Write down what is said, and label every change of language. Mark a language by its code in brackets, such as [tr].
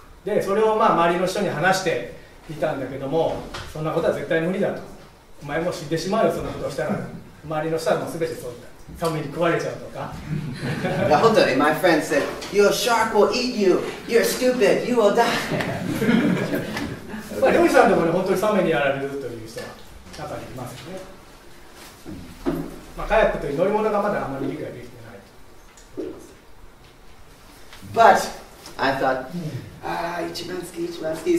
[ja] でそれをまあ周りの人に話していたんだけども、そんなことは絶対無理だと、お前も死んでしまうよそんなことをしたら周りの人はもう全てそうだ、サメに食われちゃうとか。いや本当に、 [en] my friend said, your shark will eat you, you're stupid, you will die. [ja] まあ、漁師さんでもね、本当にサメにやられるという人は中にいますよね。まあ、カヤックという乗り物がまだあまり理解できてないと。 [en] But, I thought, ah, [ja] 一番好き。